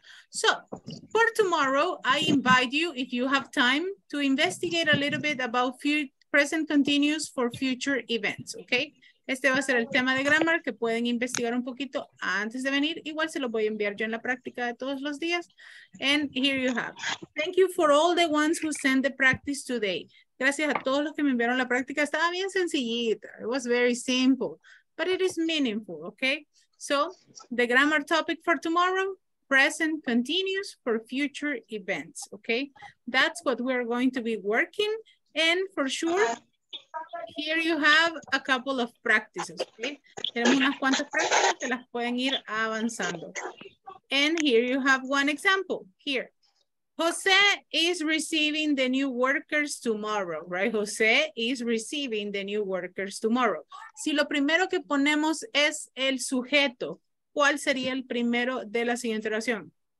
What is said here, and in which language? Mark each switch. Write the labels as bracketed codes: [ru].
[en] So for tomorrow, I invite you, if you have time, to investigate a little bit about present continuous for future events, okay? [es] Este va a ser el tema de grammar que pueden investigar un poquito antes de venir. Igual se lo voy a enviar yo en la práctica de todos los días. [en] And here you have. Thank you for all the ones who sent the practice today. [es] Gracias a todos los que me enviaron la práctica. Estaba bien sencillita. [en] It was very simple. But it is meaningful, okay? So, the grammar topic for tomorrow, present continuous for future events, okay? That's what we're going to be working. And for sure, here you have a couple of practices, okay? [es] Tenemos unas cuantas prácticas que las pueden ir avanzando. [en] And here you have one example, here. Jose is receiving the new workers tomorrow, right? Jose is receiving the new workers tomorrow. [es] Si lo primero que ponemos es el sujeto, ¿cuál sería el primero de la siguiente oración?